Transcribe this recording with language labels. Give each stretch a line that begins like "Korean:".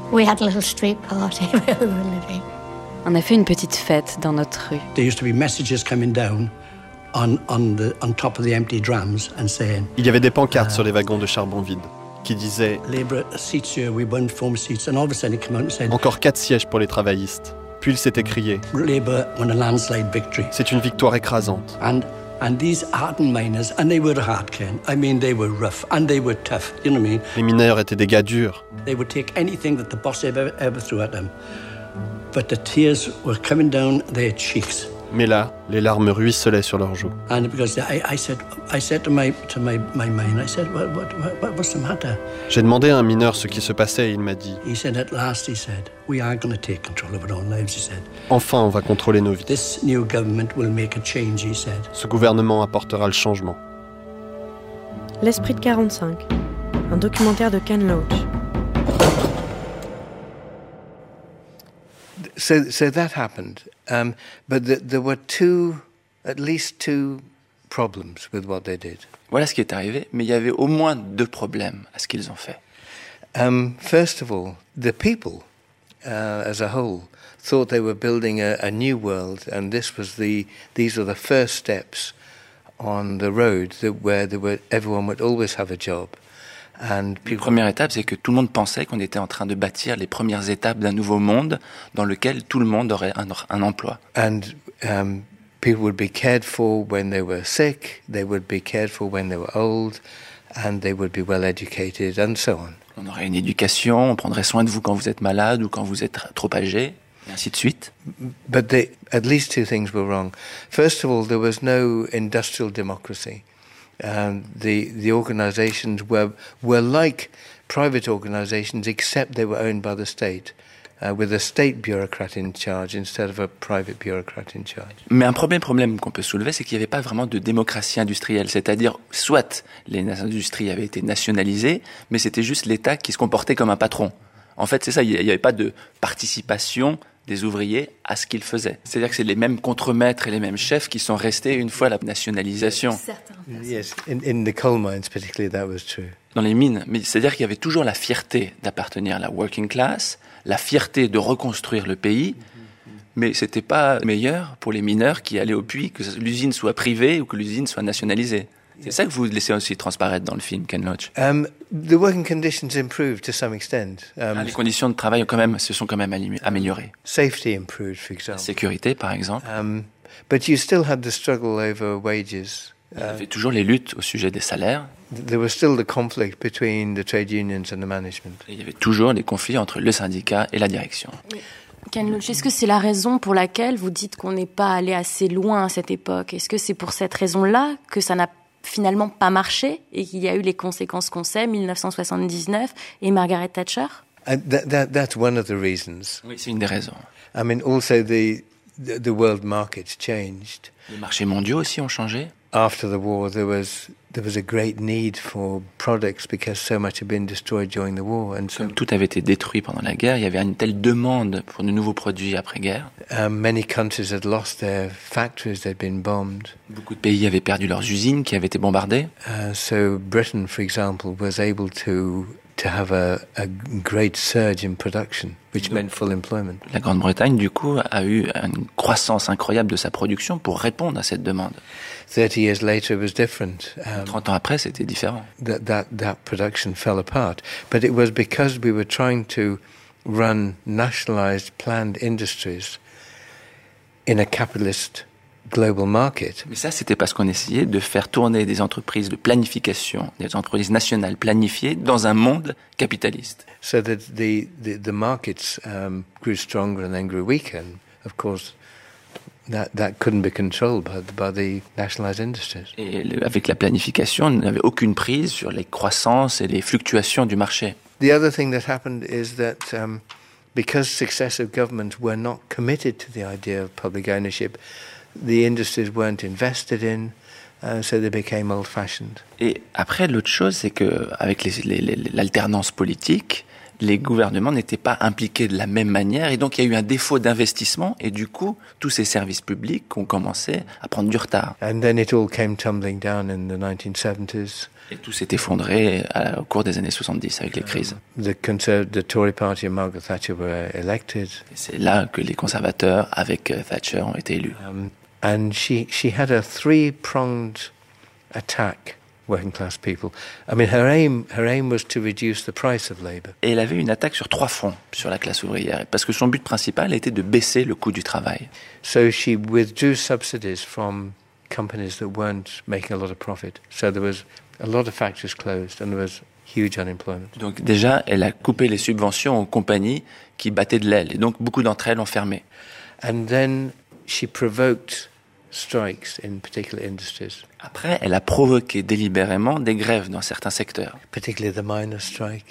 English: We had a little street party where we were living.
French: On a fait une petite fête dans notre rue.
English: There used to be messages coming down on top of the empty drums and saying.
French: Il y avait des pancartes sur les wagons de charbon vide qui disaient.
English: Labour seats here, we won four seats, and all of a sudden it came out and said.
French: Encore 4 sièges pour les travaillistes. Puis il s'est écrié.
English: Labour won a landslide victory.
French: C'est une victoire écrasante.
English: And these hardened miners, and they were hard, Ken. I mean, they were rough, and they were tough. You know what I mean?
French: Les mineurs étaient des gars durs.
English: They would take anything that the boss ever threw at them. But the tears were coming down their cheeks.
French: Mais là, les larmes ruicelaient sur leurs joues.
English: And because I said to my man, what's the matter?
French: J'ai demandé à un mineur ce qui se passait et il m'a dit.
English: He said at last, he said, we are going to take control of our own lives, he said.
French: Enfin, on va contrôler nos vies.
English: This new government will make a change, he said.
French: Ce gouvernement apportera le changement. L'esprit de 45. Un documentaire de Ken Loach.
English: So that happened, but there were two, at least two, problems with what they did.
French: Voilà ce qui est arrivé, mais il y avait au moins deux problèmes à ce qu'ils ont fait.
English: First of all, the people, as a whole, thought they were building a new world, and this was the these are the first steps on the road that where there were everyone would always have a job. And
French: la première étape, c'est que tout le monde pensait qu'on était en train de bâtir les premières étapes d'un nouveau monde dans lequel tout le monde aurait un emploi.
English: And people would be cared for when they were sick, they would be cared for when they were old, and they would be well educated, and so on.
French: On aurait une éducation, on prendrait soin de vous quand vous êtes malade ou quand vous êtes trop âgé, et ainsi de suite.
English: But they, at least two things were wrong. First of all, there was no industrial democracy. The organizations were like private organizations, except they were owned by the state, with a state bureaucrat in charge instead of a private bureaucrat in charge.
French: Mais un premier problème qu'on peut soulever, c'est qu'il n'y avait pas vraiment de démocratie industrielle. C'est-à-dire, soit les industries avaient été nationalisées, mais c'était juste l'État qui se comportait comme un patron. En fait, c'est ça, il n'y avait pas de participation des ouvriers à ce qu'ils faisaient. C'est-à-dire que c'est les mêmes contremaîtres et les mêmes chefs qui sont restés une fois la nationalisation.
English: Yes, in the coal mines particularly that was true.
French: Dans les mines, mais c'est-à-dire qu'il y avait toujours la fierté d'appartenir à la
English: working class,
French: la fierté de reconstruire le pays, mais c'était pas meilleur pour les mineurs qui allaient au puits que l'usine soit privée ou que l'usine soit nationalisée. C'est ça que vous laissez aussi transparaître dans le film, Ken Loach.
English: The working conditions improved to some extent.
French: Les conditions de travail se sont quand même améliorées.
English: Safety improved, for example.
French: La sécurité, par exemple.
English: But you still had the struggle over wages.
French: Il y avait toujours les luttes au sujet des salaires.
English: There was still the conflict between the trade unions and the management.
French: Il y avait toujours les conflits entre le syndicat et la direction. Ken Loach, est-ce que c'est la raison pour laquelle vous dites qu'on n'est pas allé assez loin à cette époque? Est-ce que c'est pour cette raison-là que ça n'a finalement pas marché et qu'il y a eu les conséquences qu'on sait, 1979 et Margaret Thatcher?
English: That's one of the reasons.
French: Oui, c'est une des raisons.
English: I mean, also the world market changed.
French: Les marchés mondiaux aussi ont changé.
English: After the war, there was a great need for products because so much had been destroyed during the war. And so,
French: comme tout avait été détruit pendant la guerre, il y avait une telle demande pour de nouveaux produits après-guerre.
English: Many countries had lost their factories, they'd been bombed.
French: Beaucoup de pays avaient perdu leurs usines qui avaient été bombardées.
English: So Britain, for example, was able to have a great surge in production, which meant full employment.
French: La Grande-Bretagne, du coup, a eu une croissance incroyable de sa production pour répondre à cette demande.
English: 30 years later, it was different.
French: 30 ans après, c'était différent.
English: That production fell apart, but it was because we were trying to run nationalized planned industries in a capitalist global market.
French: Mais ça, c'était parce qu'on essayait de faire tourner des entreprises de planification, des entreprises nationales planifiées, dans un monde capitaliste.
English: So that the markets grew stronger and then grew weaker, and of course. That couldn't be controlled by the nationalized industries.
French: Et avec la planification, on n'avait aucune prise sur les croissances et les fluctuations du marché.
English: The other thing that happened is that because successive governments were not committed to the idea of public ownership, the industries weren't invested in, so they became old-fashioned.
French: Et après, l'autre chose, c'est que avec l'alternance politique, les gouvernements n'étaient pas impliqués de la même manière et donc il y a eu un défaut d'investissement et du coup, tous ces services publics ont commencé à prendre du retard.
English: And then it all came tumbling down in the 1970s.
French: Et tout s'est effondré au cours des années 70 avec les crises.
English: The Tory Party and Margaret Thatcher were elected.
French: Et c'est là que les conservateurs avec Thatcher ont été élus.
English: And she had a three-pronged attack. Working class people. I mean, her aim was to reduce the price of labor.
French: Et elle avait une attaque sur trois fronts sur la classe ouvrière, parce que son but principal était de baisser le coût du travail.
English: So she withdrew subsidies from companies that weren't making a lot of profit. So there was a lot of factories closed, and there was huge unemployment.
French: Donc déjà, elle a coupé les subventions aux compagnies qui battaient de l'aile, et donc beaucoup d'entre elles ont fermé.
English: And then she provoked strikes in particular industries.
French: Après, elle a provoqué délibérément des grèves dans certains secteurs.
English: Particularly the miner strike.